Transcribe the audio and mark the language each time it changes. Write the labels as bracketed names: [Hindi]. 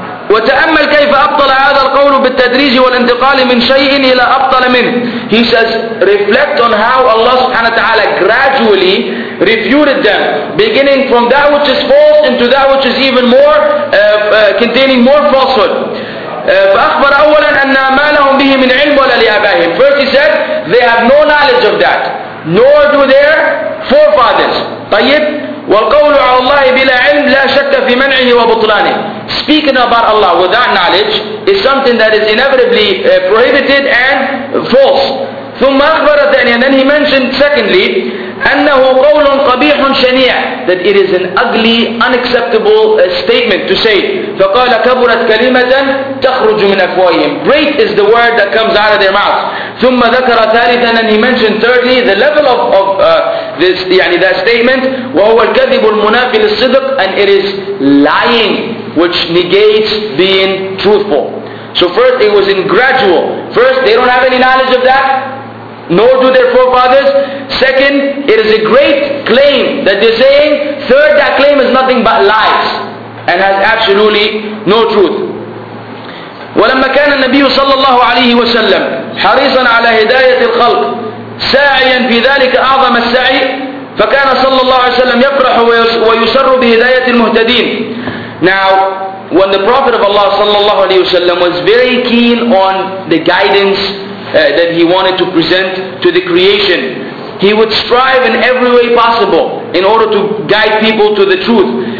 [Arabic] وتأمل كيف أبطل هذا القول بالتدريج والانتقال من شيء إلى أبطل منه. [English] He says, reflect on how Allah subhanahu wa ta'ala gradually refuted them, beginning from that which is false into that which is even more containing more falsehood. [Arabic] فأخبر أولا أن ما لهم به من علم ولا لآبائهم. [English] First he said, they have no knowledge of that, nor do their forefathers. [Arabic] طيب. والقول على الله بلا علم لا شك في منعه وبطلانه. [English] Speaking about Allah without knowledge is something that is inevitably prohibited and false. [Arabic] ثم أخبر ثانيا, [English] then he mentioned secondly, [Arabic] أنه قول قبيح شنيع, [English] that it is an ugly, unacceptable statement to say. [Arabic] فقال كبرت كلمة تخرج من أفواههم. [English] Great is the word that comes out of their mouth. [Arabic] ثم ذكر ثالثا, [English] and he mentioned thirdly the level of this, يعني that statement, [Arabic] وهو الكذب المنافي للصدق, [English] and it is lying which negates being truthful. So first it was in gradual. First, they don't have any knowledge of that, nor do their forefathers. Second, it is a great claim that they're saying. Third, that claim is nothing but lies and has absolutely no truth. [Arabic] ولما كان النبي صلى الله عليه وسلم حريصا على هداية الخلق ساعيا في ذلك أعظم السعي فكان صلى الله عليه وسلم يفرح ويسر بهداية المهتدين. [English] Now, when the Prophet of Allah [Arabic] صلى الله عليه وسلم [English] was very keen on the guidance that he wanted to present to the creation, he would strive in every way possible in order to guide people to the truth.